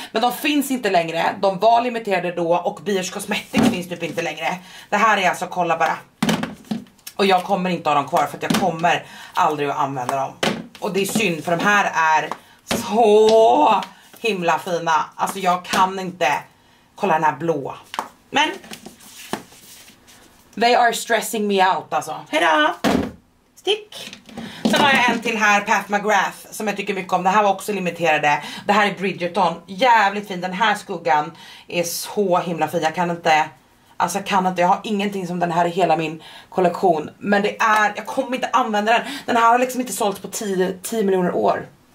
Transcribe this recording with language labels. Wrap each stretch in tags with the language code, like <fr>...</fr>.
<sv>Men de finns inte längre. De var limiterade då, och Biers Cosmetics finns typ inte längre. Det här är alltså, kolla bara. Och jag kommer inte ha dem kvar, för att jag kommer aldrig att använda dem. Och det är synd, för de här är så himla fina. Alltså jag kan inte. Kolla den här blå. Men</sv> <en>they are stressing me out</en> <sv>alltså. Hejdå. Stick. Sen har jag en till här, Pat McGrath, som jag tycker mycket om. Det här var också limiterade. Det här är Bridgerton. Jävligt fin. Den här skuggan är så himla fin. Jag kan inte, alltså jag kan inte. Jag har ingenting som den här i hela min kollektion. Men det är, jag kommer inte använda den. Den här har liksom inte sålts på 10 miljoner år.</sv>